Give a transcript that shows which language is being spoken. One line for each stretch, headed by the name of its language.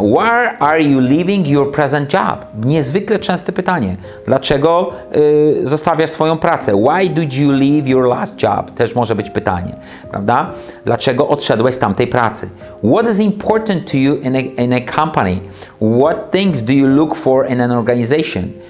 English: Where are you leaving your present job?
Polish: Niezwykle częste pytanie. Dlaczego zostawiasz swoją pracę?
English: Why did you leave your last job?
Polish: Też może być pytanie, prawda? Dlaczego odszedłeś z tamtej pracy?
English: What is important to you in a company? What things do you look for in an organization?